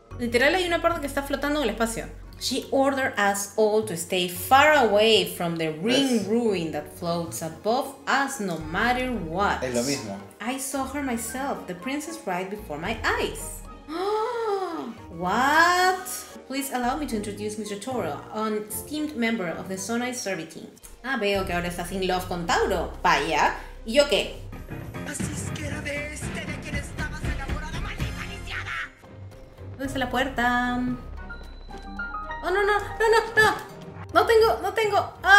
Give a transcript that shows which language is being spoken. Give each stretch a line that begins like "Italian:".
Spanish: Literal, hay una parte que está flotando en el espacio.
English: She ordered us all to stay far away from the ring ruin that floats above us no matter what.
Spanish: Es lo mismo.
English: I saw her myself, the princess right before my eyes. Oh! What? Please allow me to introduce Mr. Toro, an esteemed member of the Sonai Survey Team.
Spanish: Ah, veo que ahora estás
English: in love
Spanish: con Tauro. Vaya. ¿Y yo qué? Así es que era de este de quien estabas enamorada, maldita iniciada. ¿Dónde está la puerta? ¡Oh, no, no! ¡No, no, no! ¡No tengo! ¡No tengo!